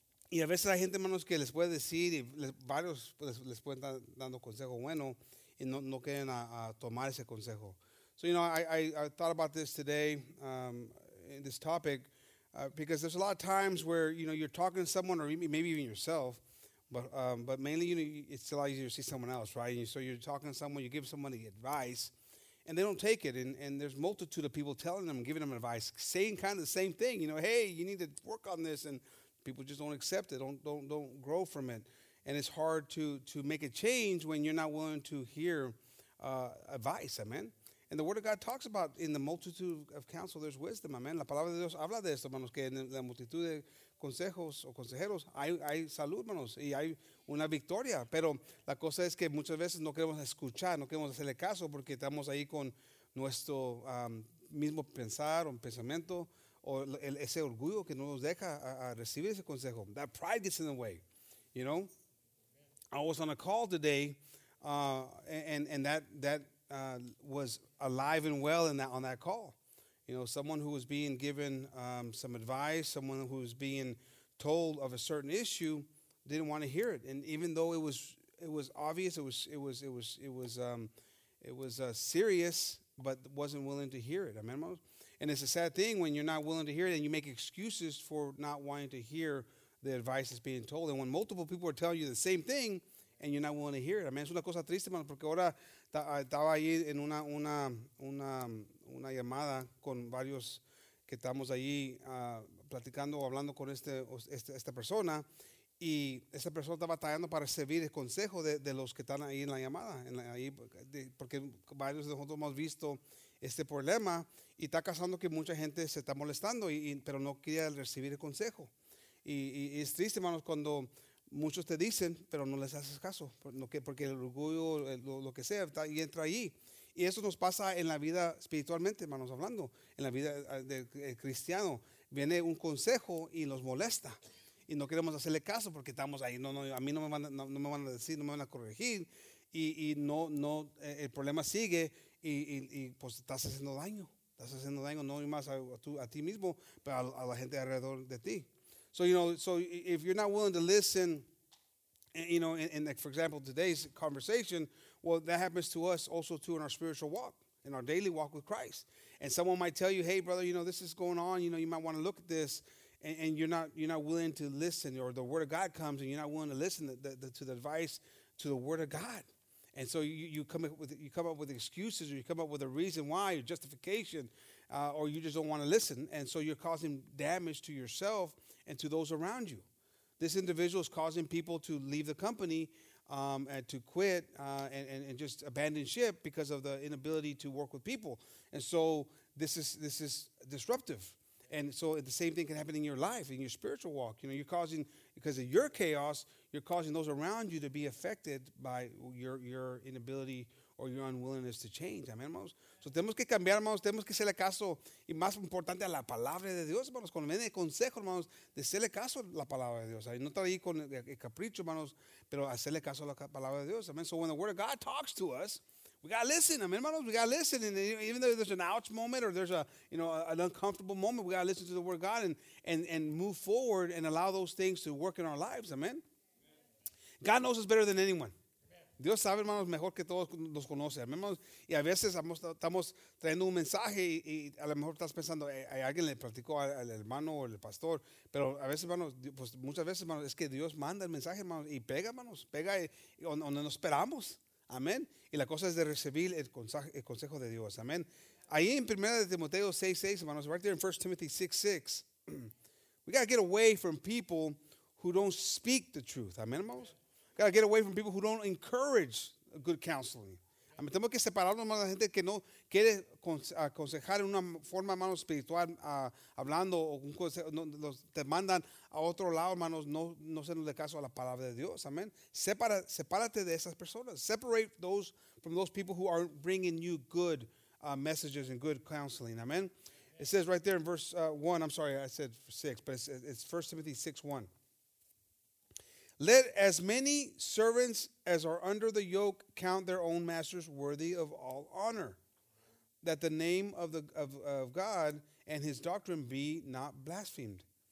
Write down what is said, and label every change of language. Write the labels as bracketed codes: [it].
[es] Y a veces hay gente, hermanos, que les puede decir y varios les pueden estar dando consejo bueno y no quieren a tomar ese consejo. [en] So, you know, I thought about this today, in this topic, because there's a lot of times where, you know, you're talking to someone or maybe even yourself, but mainly, you know, it's a lot easier to see someone else, right? And so you're talking to someone, you give someone the advice, and they don't take it. And there's multitude of people telling them, giving them advice, saying kind of the same thing, you know, hey, you need to work on this, and people just don't accept it, don't grow from it. And it's hard to make a change when you're not willing to hear advice, amen? And the Word of God talks about in the multitude of counsel, there's wisdom, amen? [es] La palabra de Dios habla de esto, hermanos, que en la multitud de consejos o consejeros hay salud, hermanos, y hay una victoria. Pero la cosa es que muchas veces no queremos escuchar, no queremos hacerle caso porque estamos ahí con nuestro mismo pensar o pensamiento o ese orgullo que no nos deja a recibir ese consejo. [en] That pride gets in the way, you know? I was on a call today, and that was alive and well on that call. You know, someone who was being given some advice, someone who was being told of a certain issue, didn't want to hear it. And even though it was obvious, it was serious, but wasn't willing to hear it. Amen. And it's a sad thing when you're not willing to hear it, and you make excuses for not wanting to hear the advice that's being told. And when multiple people are telling you the same thing, and you're not willing to hear it. [es] Amen. Es una cosa triste, hermano, porque ahora estaba ahí en una llamada con varios que estamos allí platicando o hablando con esta persona. Y esta persona estaba trabajando para recibir el consejo de los que están ahí en la llamada. Porque varios de nosotros hemos visto este problema y está causando que mucha gente se está molestando, pero no quería recibir el consejo. Y es triste, hermanos, cuando muchos te dicen, pero no les haces caso, porque el orgullo, lo que sea, está y entra ahí. Y eso nos pasa en la vida espiritualmente, hermanos, hablando, en la vida del cristiano. Viene un consejo y nos molesta. Y no queremos hacerle caso porque estamos ahí. No, a mí no me van a decir, no me van a corregir. Y no el problema sigue y pues estás haciendo daño. Estás haciendo daño no más a ti mismo, pero a la gente alrededor de ti. [en] So, you know, so if you're not willing to listen, you know, and like, for example, today's conversation, well, that happens to us also too in our spiritual walk, in our daily walk with Christ. And someone might tell you, hey, brother, you know, this is going on. You know, you might want to look at this and you're not willing to listen, or the Word of God comes and you're not willing to listen to the advice to the Word of God. And so you come up with excuses, or you come up with a reason why, or justification, or you just don't want to listen. And so you're causing damage to yourself and to those around you. this individual is causing people to leave the company and to quit and just abandon ship because of the inability to work with people. And so this is disruptive. And so the same thing can happen in your life, in your spiritual walk. You know, you're causing, because of your chaos, you're causing those around you to be affected by your inability or your unwillingness to change. [es] Amen, hermanos. So tenemos que cambiar, hermanos. Tenemos que hacerle caso. Y más importante, a la palabra de Dios, hermanos. Cuando viene el consejo, hermanos, de hacerle caso a la palabra de Dios. No estar ahí con el capricho, hermanos, pero hacerle caso a la palabra de Dios. [en] Amen. So when the word of God talks to us, we got to listen. Amen, hermanos. We got to listen. And even though there's an ouch moment or there's a, you know, an uncomfortable moment, we got to listen to the word of God and move forward and allow those things to work in our lives. Amen. God knows us better than anyone. [es] Dios sabe, hermanos, mejor que todos nos conoce. Hermanos, y a veces estamos trayendo un mensaje y a lo mejor estás pensando, alguien le platicó al hermano o el pastor. Pero a veces, hermanos, pues muchas veces, hermanos, es que Dios manda el mensaje, hermanos, y pega, hermanos, pega donde nos esperamos. Amén. Y la cosa es de recibir el consejo de Dios. Amén. [en] Ahí en 1 Timoteo 6:6, hermanos, right there in 1 Timothy 6:6, we got to get away from people who don't speak the truth. Amén, hermanos. Got to get away from people who don't encourage good counseling. [es] Amén. Tenemos que separarnos de la gente que no quiere aconsejar en una forma, hermanos, espiritual, hablando, o un consejo, te mandan a otro lado, hermanos, no hacernos de caso a la palabra de Dios. Amén. Sepárate de esas personas. [en] Separate those from those people who aren't bringing you good messages and good counseling. Amén. It says right there in verse 1, I'm sorry, I said 6, but it's 1 Timothy 6:1. Let as many servants as are under the yoke count their own masters worthy of all honor, that the name of God and his doctrine be not blasphemed.